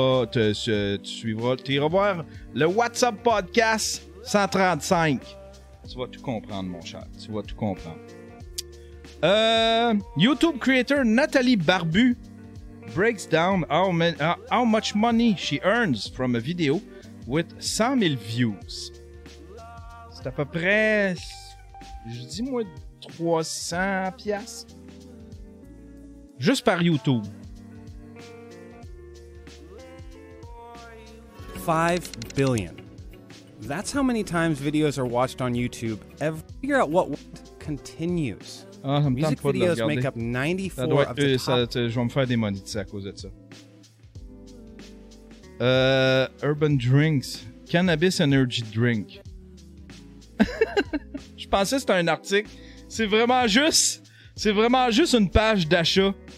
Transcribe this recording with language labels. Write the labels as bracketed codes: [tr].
[fr] Tu iras voir le WhatsApp Podcast 135. Tu vas tout comprendre, mon cher. Tu vas tout comprendre. [en] YouTube creator Nathalie Barbu breaks down how much money she earns from a video with 100 000 views. [fr] C'est à peu près, je dis moi, 300$. Juste par YouTube. [en] 5 billion. That's how many times videos are watched on YouTube. Figure out what continues. Music videos make up 94 of the top... [fr] Je vais me faire des monites à cause de ça. [en] Urban Drinks. Cannabis Energy Drink. [fr] Je pensais que c'était un article. C'est vraiment juste une page d'achat.